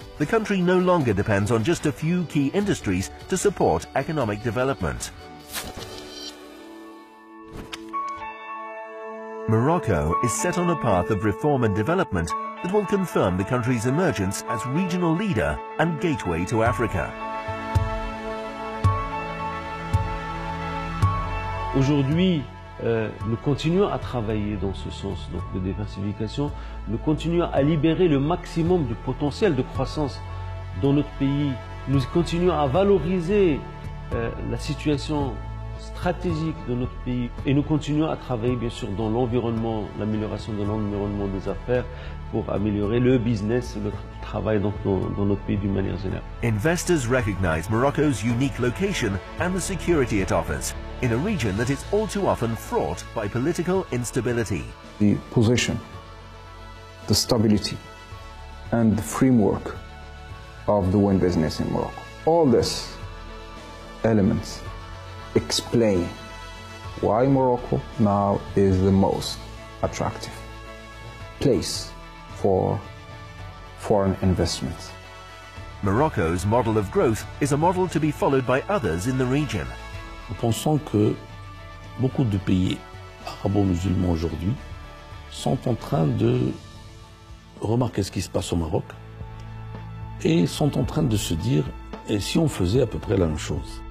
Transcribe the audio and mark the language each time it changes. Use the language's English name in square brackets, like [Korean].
[English] The country no longer depends on just a few key industries to support economic development. Morocco is set on a path of reform and development that will confirm the country's emergence as regional leader and gateway to Africa. [French] Aujourd'hui, nous continuons à travailler dans ce sens donc de diversification, nous continuons à libérer le maximum du potentiel de croissance dans notre pays, nous continuons à valoriser la situation stratégique de notre pays et nous continuons à travailler bien sûr dans l'environnement, l'amélioration de l'environnement des affaires pour améliorer le business, le travail donc dans notre pays d'une manière générale. [English] Investors recognize Morocco's unique location and the security it offers in a region that is all too often fraught by political instability. The position, the stability, and the framework of the wind business in Morocco. All these elements explain why Morocco now is the most attractive place for foreign investments. Morocco's model of growth is a model to be followed by others in the region. [French] Nous pensons que beaucoup de pays arabo-musulmans aujourd'hui sont en train de remarquer ce qui se passe au Maroc et sont en train de se dire, et si on faisait à peu près la même chose?